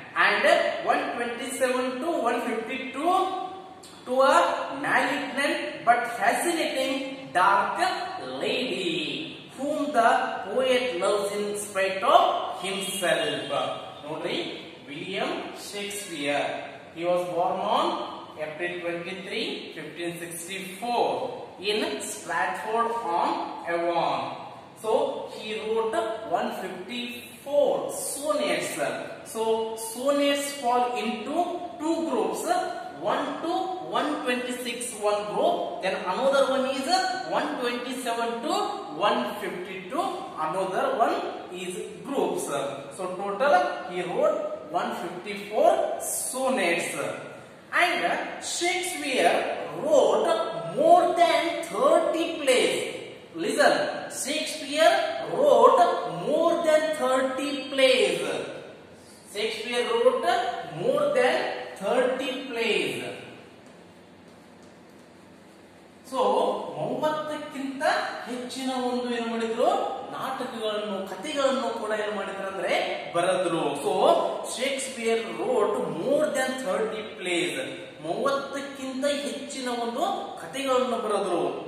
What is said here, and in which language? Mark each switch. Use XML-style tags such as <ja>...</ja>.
<en>And 127 to 152, to a malignant but fascinating dark lady whom the poet loves in spite of himself.</en> <kn>ನೋಡ್ರಿ,</kn> <en>William Shakespeare, he was born on April 23, 1564 in Stratford-on-Avon. So he wrote 154 sonnets. So sonnets fall into two groups, 1 to 126 one group, then another one is 127 to 152 another one is groups. So total he wrote 154 sonnets. And Shakespeare wrote more than 30 plays. Listen, Shakespeare wrote more than 30 plays. Shakespeare wrote more than 30 plays.</en> <kn>So, 30ಕ್ಕಿಂತ ಹೆಚ್ಚಿನ ಒಂದು ಏನು ಮಾಡಿದ್ರು, ನಾಟಕಗಳನ್ನು ಕಥೆಗಳನ್ನು ಕೂಡ ಏನು ಮಾಡಿದ್ರು ಅಂದ್ರೆ ಬರೆದ್ರು.</kn> <en>so Shakespeare wrote more than 30 plays,</en> <kn>30ಕ್ಕಿಂತ ಹೆಚ್ಚಿನ ಒಂದು ಕಥೆಗಳನ್ನು ಬರೆದ್ರು.</kn>